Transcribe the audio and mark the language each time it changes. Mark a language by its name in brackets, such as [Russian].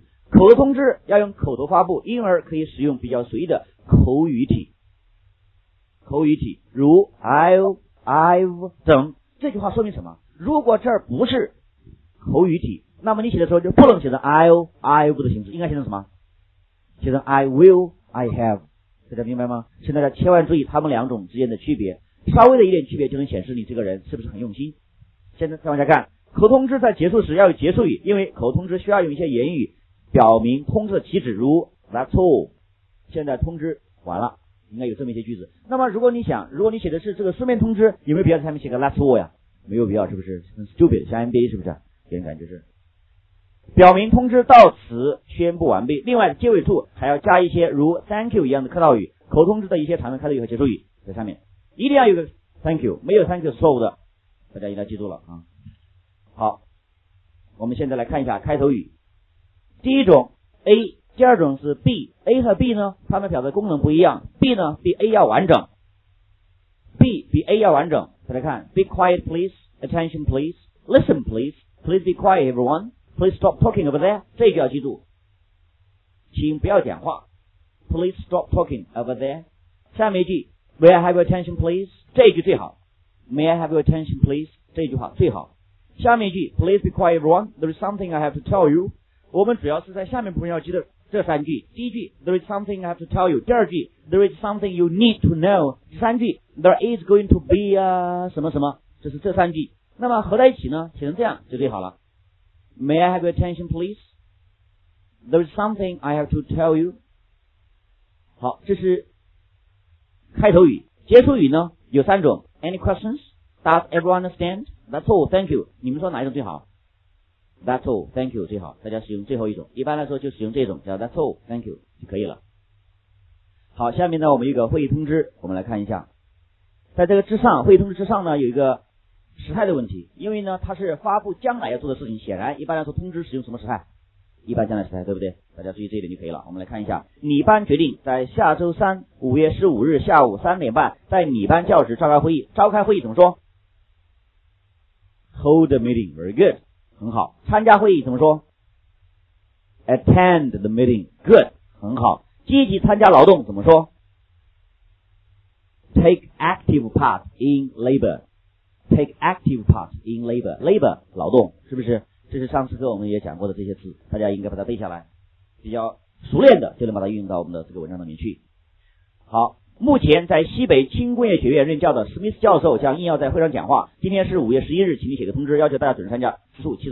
[Chinese] 口头通知要用口头发布，因而可以使用比较随意的口语体，口语体如 I've 等。这句话说明什么？如果这儿不是口语体，那么你写的时候就不能写成 I've 的形式，应该写成什么？ [English] 写成 I will, I have。 [Chinese] 大家明白吗？请大家千万注意他们两种之间的区别，稍微的一点区别就能显示你这个人是不是很用心。现在再往下看，口通知在结束时要有结束语，因为口通知需要用一些言语表明通知的起止，如 [English] That's all, [Chinese] 现在通知完了，应该有这么一些句子。那么如果你写的是这个书面通知，有没有必要在下面写个 last word 呀？没有必要，是不是很 stupid， 像 NBA 是不是给人感觉是表明通知到此宣布完毕。另外结尾处还要加一些如 thank you 一样的客套语，口通知的一些常用开头语和结束语，在下面一定要有个 thank you， 没有 thank you 是错误的，大家一定要记住了啊。好，我们现在来看一下开头语。第一种 A，第二种是 B。 A 和 B 呢它们表达功能不一样， B 呢比 A 要完整， B 比 A 要完整。大家看 [English] Be quiet please, Attention, please. Listen, please. Please be quiet, everyone. Please stop talking over there. [Chinese] 这句要记住。请不要讲话。 [English] Please stop talking over there. [Chinese] 下面一句。 [English] May I have your attention, please? [Chinese] 这句最好。 [English] May I have your attention, please? [Chinese] 这句话最好。下面一句。 [English] Please be quiet, everyone. There is something I have to tell you. [Chinese] 我们主要是在下面部分要记得这三句。第一句。 [English] There is something I have to tell you. [Chinese] 第二句。 [English] There is something you need to know. [Chinese] 第三句。 [English] There is going to be a [Chinese] 什么什么。就是这三句。那么合在一起呢写成这样就最好了。 [English] May I have your attention, please? There is something I have to tell you. [Chinese] 好，这是开头语。结束语呢有三种。 [English] Any questions? Does everyone understand? That's all, thank you. [Chinese] 你们说哪一种最好？ [English] That's all, thank you, [Chinese] 最好。大家使用最后一种。一般来说就使用这种叫 [English] That's all, thank you, [Chinese] 就可以了。好，下面呢我们有一个会议通知，我们来看一下。在这个之上，会议通知之上呢有一个时态的问题。因为呢它是发布将来要做的事情，显然一般来说通知使用什么时态？一般将来时态，对不对？大家注意这一点就可以了。我们来看一下，拟班决定在下周三5月15日下午3:30在拟班教室召开会议。召开会议怎么说？ [English] Hold the meeting. Very good. [Chinese] 很好。 [English] 参加会议怎么说？ Attend the meeting. Good. [Chinese] 很好。积极参加劳动怎么说？ [English] Take active part in labor. Take active part in labor. [Chinese] Labor, 劳动，是不是？这是上次课我们也讲过的这些字，大家应该把它背下来，比较熟练的就能把它运用到我们的这个文章里面去。好，目前在西北轻工业学院任教的史密斯教授将应邀在会上讲话。今天是5月11日，请你写个通知，要求大家准时参加。祝七十位。